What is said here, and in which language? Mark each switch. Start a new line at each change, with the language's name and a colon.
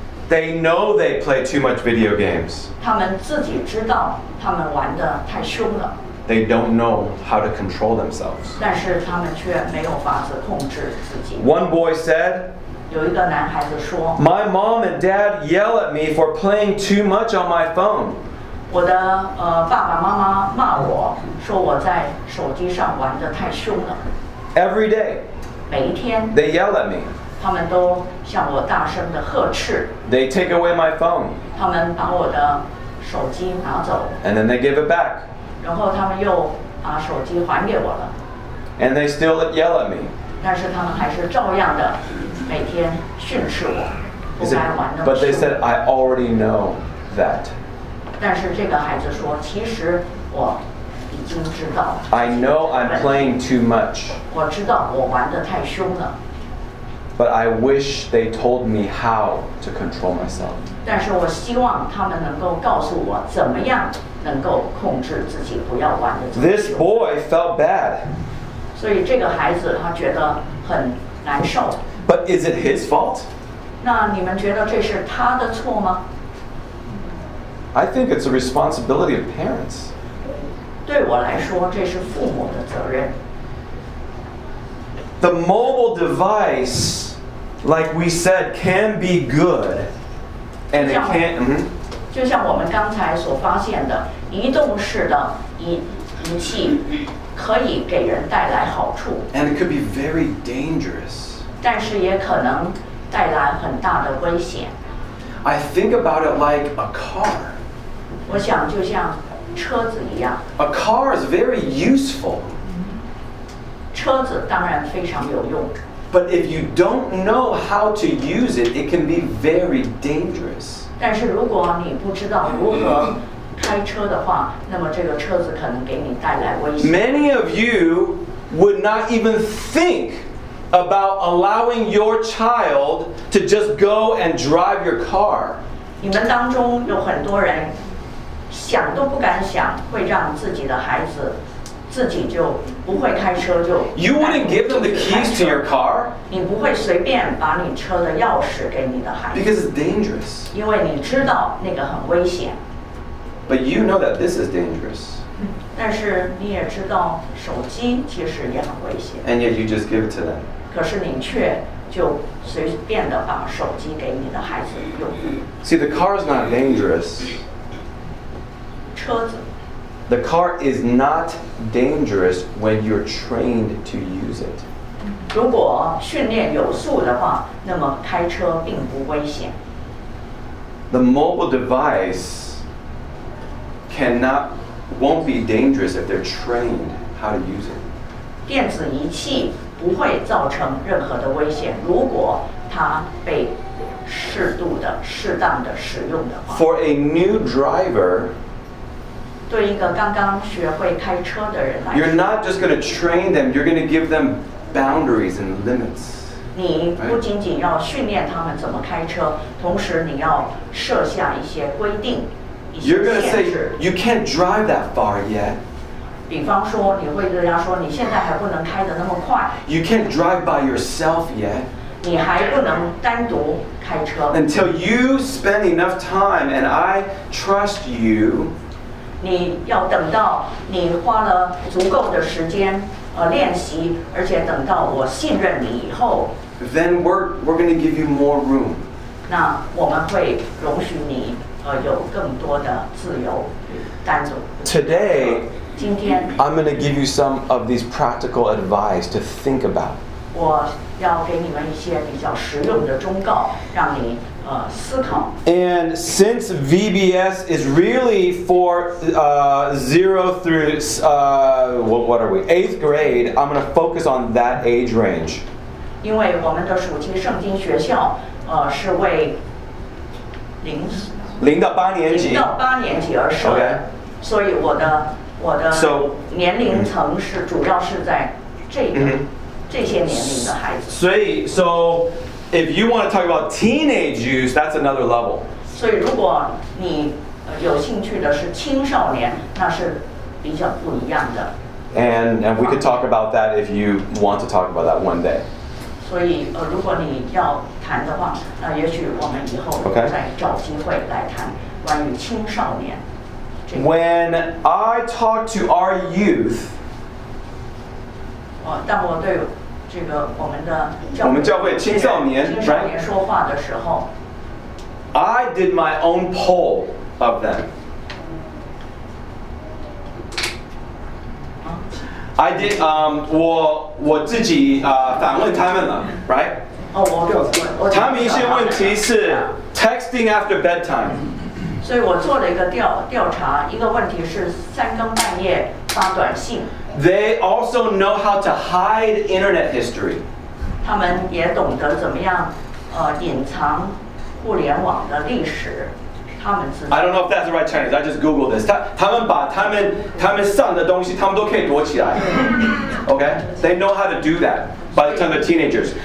English: They know they play too much video games.
Chinese: 他们自己知道他们玩得太凶了。
English: They don't know how to control themselves.
Chinese: 但是他们却没有法子控制自己。
English: One boy said,
Chinese: 有一个男孩子说,
English: My mom and dad yell at me for playing too much on my phone.
Chinese: 我的爸爸妈妈骂我说我在手机上玩得太凶了。
English: Every day.
Chinese: 每一天。
English: They yell at me.
Chinese: 他们都向我大声地呵斥。
English: They take away my phone.
Chinese: 他们把我的手机拿走。
English: And then they give it back.
Chinese: 然后他们又把手机还给我了。
English: And they still yell at me.
Chinese: 但是他们还是照样的每天训斥我，不该玩那么。
English: But they said I already know that.
Chinese: 但是这个孩子说，其实我已经知道了。
English: I know I'm playing too much.
Chinese: 我知道我玩得太凶了。
English: But I wish they told me how to control myself.
Chinese: 但是我希望他们能够告诉我怎么样能够控制自己，不要玩得太凶。
English: This boy felt bad.
Chinese: 所以这个孩子他觉得很难受。
English: But is it his fault?
Chinese: 那你们觉得这是他的错吗？
English: I think it's a responsibility of parents.
Chinese: 对我来说，这是父母的责任。
English: The mobile device, like we said, can be good, and it can't.
Chinese: 就像我们刚才所发现的，移动式的仪器可以给人带来好处。
English: And it could be very dangerous.
Chinese: 但是也可能带来很大的危险。
English: I think about it like a car.
Chinese: 我想就像车子一样。
English: A car is very useful.
Chinese: 车子当然非常有用。
English: But if you don't know how to use it, it can be very dangerous.
Chinese: 但是如果你不知道如何开车的话，那么这个车子可能给你带来危险。
English: Many of you would not even think about allowing your child to just go and drive your car.
Chinese: 你们当中有很多人想都不敢想，会让自己的孩子自己就不会开车就。
English: You wouldn't give them the keys to your car.
Chinese: 你不会随便把你车的钥匙给你的孩子。
English: Because it's dangerous.
Chinese: 因为你知道那个很危险。
English: But you know that this is dangerous.
Chinese: 但是你也知道手机其实也很危险。
English: And yet you just give it to them.
Chinese: 可是你却就随便的把手机给你的孩子用。
English: See, the car is not dangerous. The car is not dangerous when you're trained to use it.
Chinese: 如果训练有素的话，那么开车并不危险。
English: The mobile device cannot, won't be dangerous if they're trained how to use it.
Chinese: 电子仪器不会造成任何的危险，如果它被适度的、适当的使用的话。
English: For a new driver,
Chinese: 对一个刚刚学会开车的人来说
English: ，You're not just going to train them. You're going to give them boundaries and limits.
Chinese: 你不仅仅要训练他们怎么开车，同时你要设下一些规定。
English: You're going to say you can't drive that far yet.
Chinese: 比方说，你会对他说，你现在还不能开得那么快。
English: You can't drive by yourself yet.
Chinese: 你还不能单独开车。
English: Until you spend enough time and I trust you.
Chinese: 你要等到你花了足够的时间练习，而且等到我信任你以后。
English: Then we're going to give you more room.
Chinese: 那我们会容许你。
English: Today,
Chinese: 今天,
English: I'm going to give you some of these practical advice to think about.
Chinese: 我要给你们一些比较实用的忠告，让你思考。
English: And since VBS is really for 0 through, what are we, 8th grade, I'm going to focus on that age range.
Chinese: 因为我们的暑期圣经学校是为零到八年级，零到八年级而设。
English: Okay.
Chinese: 所以我的年龄层是主要是在这个 这些年龄的孩子。所以
English: ，so if you want to talk about teenage use, that's another level.
Chinese: 所以如果你有兴趣的是青少年，那是比较不一样的。
English: And we could talk about that if you want to talk about that one day.
Chinese: 所以如果你要谈的话，那也许我们以后再找机会来谈关于青少年。
English: When I talk to our youth,
Chinese: 当我对这个我们教会青少年说话的时候
English: ，I did my own poll of them. I did
Chinese: 我自己反问他们了 ，
English: right？
Chinese: 他们一些问题是
English: texting after bedtime.
Chinese: 所以我做了一个调查，一个问题是三更半夜发短信。
English: They also know how to hide internet history.
Chinese: 他们也懂得怎么样隐藏互联网的历史。
English: I don't know if that's the right Chinese. I just Googled this.
Chinese: 他们上的东西，他们都可以躲起来。
English: Okay? They know how to do that by the time they're teenagers.